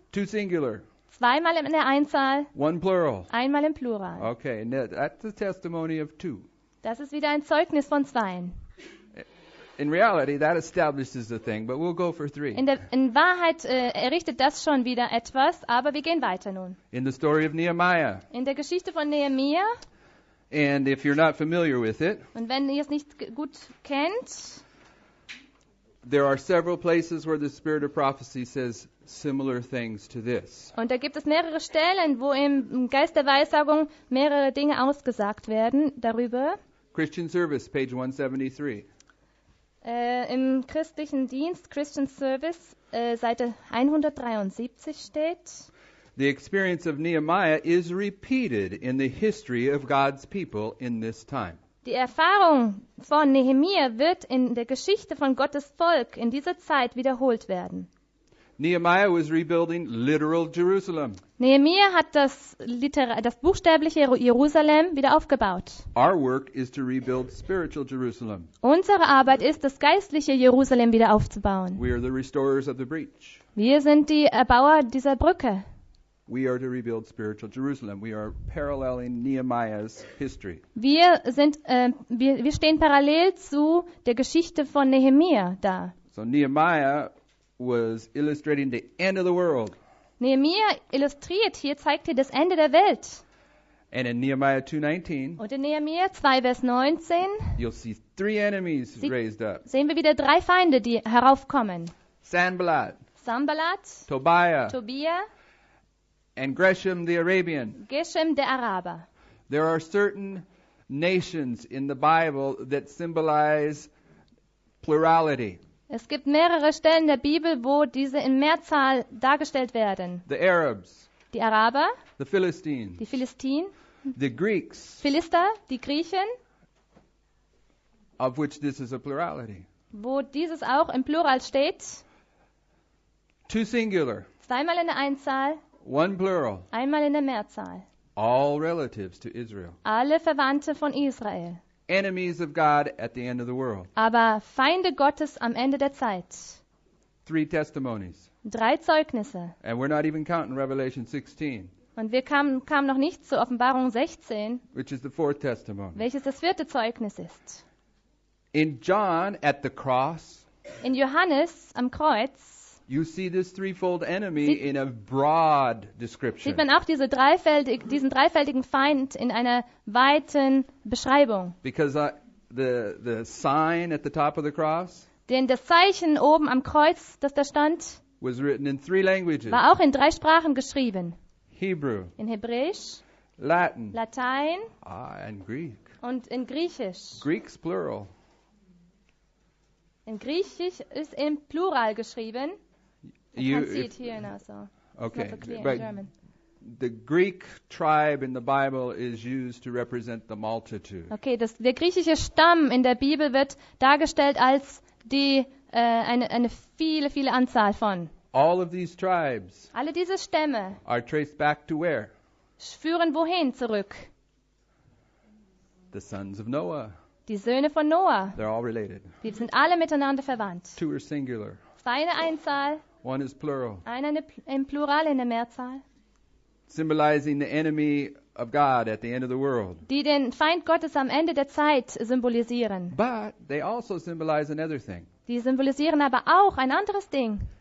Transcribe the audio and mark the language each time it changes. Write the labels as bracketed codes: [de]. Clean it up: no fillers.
[en] Two singular. [de] Zweimal in der Einzahl. [en] One plural. [de] Einmal im Plural. [en] Okay, that's a testimony of two. [de] Das ist wieder ein Zeugnis von zweien. [en] In reality, that establishes the thing, but we'll go for three. [de] In Wahrheit errichtet das schon wieder etwas, aber wir gehen weiter nun. [en] In the story of Nehemiah. [de] In der Geschichte von Nehemiah. [en] And if you're not familiar with it. [de] Und wenn ihr es nicht gut kennt. [en] There are several places where the spirit of prophecy says similar things to this. [de] Und da gibt es mehrere Stellen, wo im Geist der Weissagung mehrere Dinge ausgesagt werden darüber. [en] Christian Service, page 173. [de] Im christlichen Dienst, Christian Service, Seite 173 steht. [en] The experience of Nehemiah is repeated in the history of God's people in this time. [de] Die Erfahrung von Nehemiah wird in der Geschichte von Gottes Volk in dieser Zeit wiederholt werden. [en] Nehemiah was rebuilding literal Jerusalem. [de] Nehemiah hat das buchstäbliche Jerusalem wieder aufgebaut. [en] Our work is to rebuild spiritual Jerusalem. [de] Unsere Arbeit ist, das geistliche Jerusalem wieder aufzubauen. [en] We are the restorers of the breach. [de] Wir sind die Erbauer dieser Brücke. [en] We are to rebuild spiritual Jerusalem. We are paralleling Nehemiah's history. [de] Wir stehen parallel zu der Geschichte von Nehemiah da. [en] So Nehemiah was illustrating the end of the world. [de] Nehemiah illustriert hier, zeigt hier das Ende der Welt. [en] And in Nehemiah 2:19. [de] Und in Nehemiah 2 Vers 19. [en] You'll see three enemies raised up. [de] Sehen wir wieder drei Feinde, die heraufkommen. [en] Sanballat. Tobiah. And Geshem the Arabian. [de] Geshem der Araber. [en] There are certain nations in the Bible that symbolize plurality. [de] Es gibt mehrere Stellen der Bibel, wo diese in Mehrzahl dargestellt werden. [en] The Arabs. [de] Die Araber. [en] The Philistines. [de] Die Philistinen. [en] The Greeks. [de] Philister, die Griechen. [en] Of which this is a plurality. [de] Wo dieses auch im Plural steht. [en] Two singular. [de] Zweimal in der Einzahl. [en] One plural. [de] Einmal in der Mehrzahl. [en] All relatives to Israel. [de] Alle Verwandte von Israel. [en] Enemies of God at the end of the world. [de] Aber Feinde Gottes am Ende der Zeit. [en] Three testimonies. [de] Drei Zeugnisse. [en] And we're not even counting Revelation 16. [de] Und wir kamen noch nicht zu Offenbarung 16. [en] Which is the fourth testimony. [de] Welches das vierte Zeugnis ist. [en] In John at the cross. [de] In Johannes am Kreuz. [en] You see this threefold enemy in a broad description. [de] Sieht man auch diesen dreifältigen Feind in einer weiten Beschreibung? [en] Because the sign at the top of the cross. [de] Denn das Zeichen oben am Kreuz, das da stand, [en] was written in three languages. [de] War auch in drei Sprachen geschrieben. [en] Hebrew. [de] In Hebräisch. [en] Latin. [de] Latein. [en] And Greek. [de] Und in Griechisch. [en] Greeks plural. [de] In Griechisch ist im Plural geschrieben. [en] You can see it here now, so. [de] Okay. [en] It's not so clear in German. The Greek tribe in the Bible is used to represent the multitude. [de] Okay, der griechische Stamm in der Bibel wird dargestellt als die eine viele viele Anzahl von. [en] All of these tribes. [de] Alle diese Stämme. [en] Are traced back to where? [de] Führen wohin zurück? [en] The sons of Noah. [de] Die Söhne von Noah. [en] They're all related. [de] Die sind alle miteinander verwandt. [en] Two are singular. [de] Zwei eine Einzahl. [en] One is plural. [de] Eine im Plural in der Mehrzahl. [en] Symbolizing the enemy of God at the end of the world. [de] Die den Feind Gottes am Ende der Zeit symbolisieren. [en] But they also symbolize another thing. [de] Die symbolisieren aber auch ein anderes Ding.